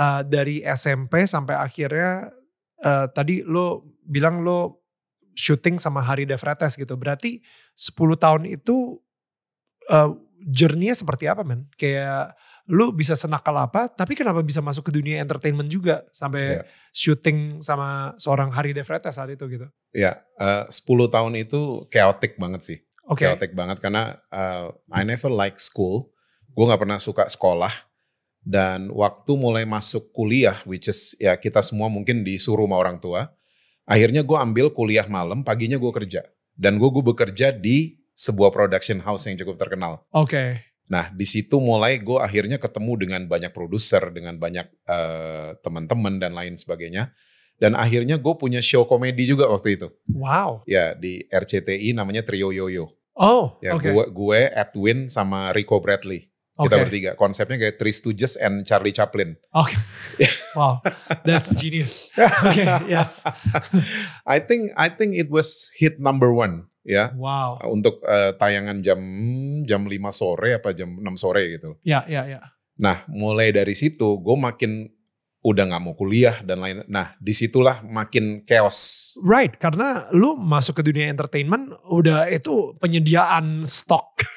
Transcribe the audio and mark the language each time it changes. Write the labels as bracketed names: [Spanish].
[Indonesian] Dari SMP sampai akhirnya, tadi lu bilang lu syuting sama Hari De Fretes gitu. Berarti 10 tahun itu journey-nya seperti apa men? Kayak... lu bisa senakal apa, tapi kenapa bisa masuk ke dunia entertainment juga, sampai yeah. Syuting sama seorang Hari De Fretes saat itu gitu. Ya, yeah, 10 tahun itu chaotic banget sih. Okay. Chaotic banget, karena [English] I never liked school. [Indonesian] gue gak pernah suka sekolah. Dan waktu mulai masuk kuliah, [English] which is [Indonesian] ya kita semua mungkin disuruh sama orang tua. Akhirnya gue ambil kuliah malam, paginya gue kerja. Dan gue bekerja di sebuah production house yang cukup terkenal. Oke. Okay. Nah, di situ mulai gue akhirnya ketemu dengan banyak produser, dengan banyak teman-teman dan lain sebagainya. Dan akhirnya gue punya show komedi juga waktu itu. Wow. Ya, di RCTI namanya Trio Yoyo. Oh, ya, oke. Okay. Gue, Edwin, sama Rico Bradley. Kita okay. bertiga. Konsepnya kayak Three Stooges and Charlie Chaplin. [English] Oke. Okay. Wow, that's genius. Oke, okay, yes. I think it was hit number one. Ya. Wow. [Indonesian] Untuk tayangan jam 5 sore apa jam 6 sore gitu. Ya, yeah, ya, yeah, ya. Yeah. Nah, mulai dari situ gue makin udah gak mau kuliah dan lain. Nah, disitulah makin chaos. Right, karena lu masuk ke dunia entertainment, udah itu penyediaan stok.